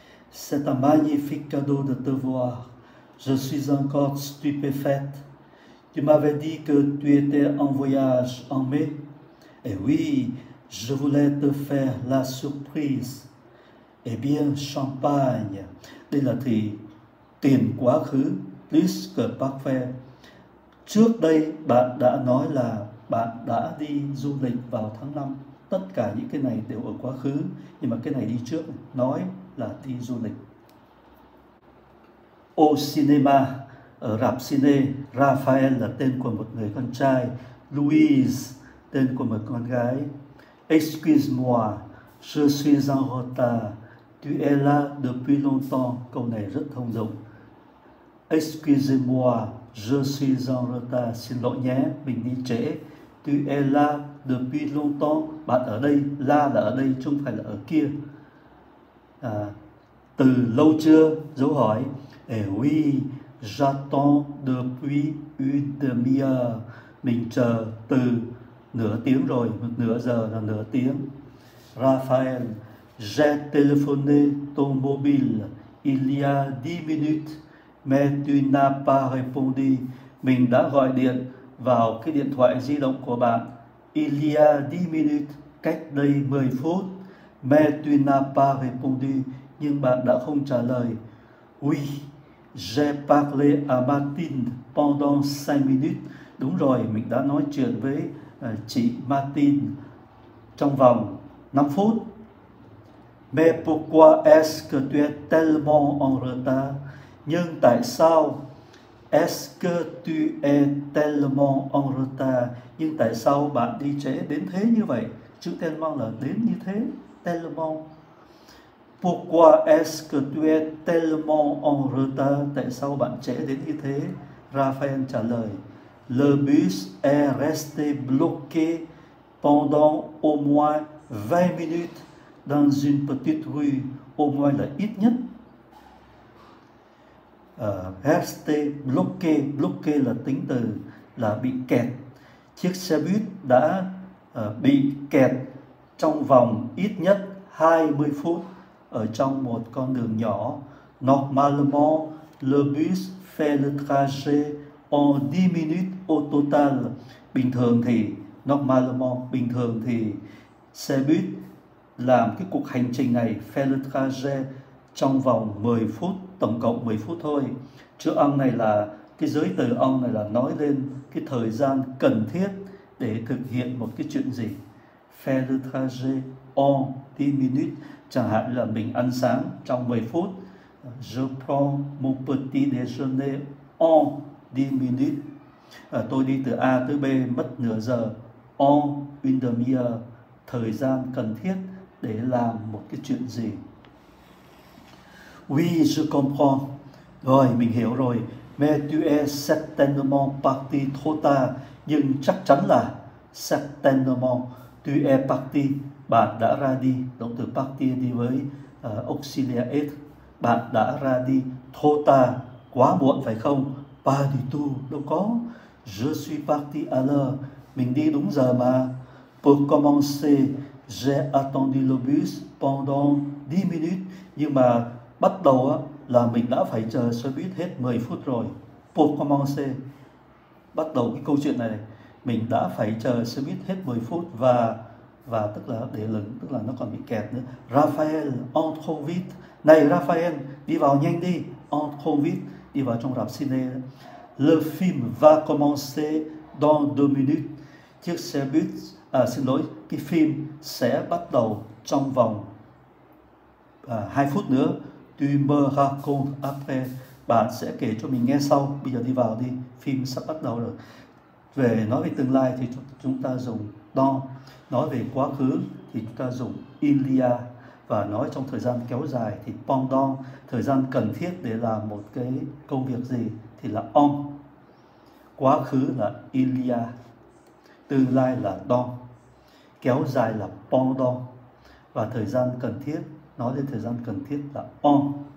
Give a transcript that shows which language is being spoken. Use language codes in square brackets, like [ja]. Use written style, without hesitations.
[fr] C'est un magnifique cadeau de te voir. Je suis encore stupéfaite. Tu m'avais dit que tu étais en voyage en mai. Eh oui, je voulais te faire la surprise. Eh bien, champagne. [vi] Đây là thì tiền quá khứ, [fr] plus que parfait. [vi] Trước đây, bạn đã nói là bạn đã đi du lịch vào tháng 5. Tất cả những cái này đều ở quá khứ, nhưng mà cái này đi trước, nói là đi du lịch. [fr] Au cinéma, [vi] ở rạp ciné, Raphael là tên của một người con trai, Louise, tên của một con gái. [fr] Excuse-moi, je suis en retard. Tu es là depuis longtemps. [vi] Câu này rất thông dụng. [fr] Excusez-moi, je suis en retard. [vi] Xin lỗi nhé, mình đi trễ. [fr] Tu es là depuis longtemps. [vi] Bạn ở đây, là ở đây, chứ không phải là ở kia. À, từ lâu chưa? Dấu hỏi. [fr] Eh oui, j'attends depuis une demi-heure. [vi] Mình chờ từ nửa tiếng rồi, một nửa giờ là nửa tiếng. [fr] Raphael, j'ai téléphoné ton mobile il y a 10 minutes, mais tu n'as pas répondu. [vi] Mình đã gọi điện vào cái điện thoại di động của bạn. [fr] Il y a 10 minutes, [vi] cách đây 10 phút. [fr] Mais tu n'as pas répondu, [vi] nhưng bạn đã không trả lời. [fr] Oui, j'ai parlé à Martine pendant 5 minutes. [vi] Đúng rồi, mình đã nói chuyện với chị Martine trong vòng 5 phút. [fr] Mais pourquoi est-ce que tu es tellement en retard? [vi] Nhưng tại sao? [fr] Est-ce que tu es tellement en retard? [vi] Nhưng tại sao bạn đi trễ đến thế như vậy? Chữ tellement là đến như thế. [fr] Tellement. Pourquoi est-ce que tu es tellement en retard? [vi] Tại sao bạn trễ đến như thế? Raphael trả lời. [fr] Le bus est resté bloqué pendant au moins 20 minutes. Dans une petite rue, au moins [vi] là ít nhất. [fr] Reste bloqué, [vi] bloqué là tính từ, là bị kẹt. Chiếc xe buýt đã bị kẹt trong vòng ít nhất 20 phút ở trong một con đường nhỏ. [fr] Normalement, le bus fait le trajet en 10 minutes au total. [vi] Bình thường thì, [fr] normalement, [vi] bình thường thì xe buýt làm cái cuộc hành trình này, [fr] faire le trajet, [vi] trong vòng 10 phút, tổng cộng 10 phút thôi. Chữ ông này là, cái giới từ ông này là nói lên cái thời gian cần thiết để thực hiện một cái chuyện gì. [fr] Faire le trajet en 10 minutes, [vi] chẳng hạn là mình ăn sáng trong 10 phút. [fr] Je prends mon petit déjeuner en 10 minutes. [vi] Tôi đi từ A tới B mất nửa giờ. [fr] En une demi-heure, [vi] thời gian cần thiết để làm một cái chuyện gì. [fr] Oui, je comprends. [vi] Rồi, mình hiểu rồi. [fr] Mais tu es certainement parti trop tard. [vi] Nhưng chắc chắn là [fr] certainement tu es parti. [vi] Bạn đã ra đi. Động từ parti đi với auxilia être. Bạn đã ra đi [fr] trop tard. [vi] Quá muộn phải không? [fr] Pas du tout. [vi] Đâu có. [fr] Je suis parti à l'heure. [vi] Mình đi đúng giờ mà. [fr] Pour commencer, j'ai attendu le bus pendant 10 minutes. [vi] Nhưng mà bắt đầu là mình đã phải chờ xe buýt hết 10 phút rồi. [fr] Pour commencer, [vi] bắt đầu cái câu chuyện này, mình đã phải chờ xe buýt hết 10 phút và và tức là để lửng, tức là nó còn bị kẹt nữa. Raphael, [fr] entre vite. [vi] Này Raphael, đi vào nhanh đi. [fr] Entre vite, [vi] đi vào trong rạp cine. [fr] Le film va commencer dans deux minutes. [vi] Chiếc xe buýt, xin lỗi, cái phim sẽ bắt đầu trong vòng 2 phút nữa. [fr] Tu me racontes après. [vi] Bạn sẽ kể cho mình nghe sau. Bây giờ đi vào đi, phim sắp bắt đầu rồi. Về nói về tương lai thì chúng ta dùng dans, nói về quá khứ thì chúng ta dùng [fr] il y a, [vi] và nói trong thời gian kéo dài thì pendant, thời gian cần thiết để làm một cái công việc gì thì là on, quá khứ là il y a, tương lai là dans, kéo dài là pendant, và thời gian cần thiết, nói về thời gian cần thiết là on.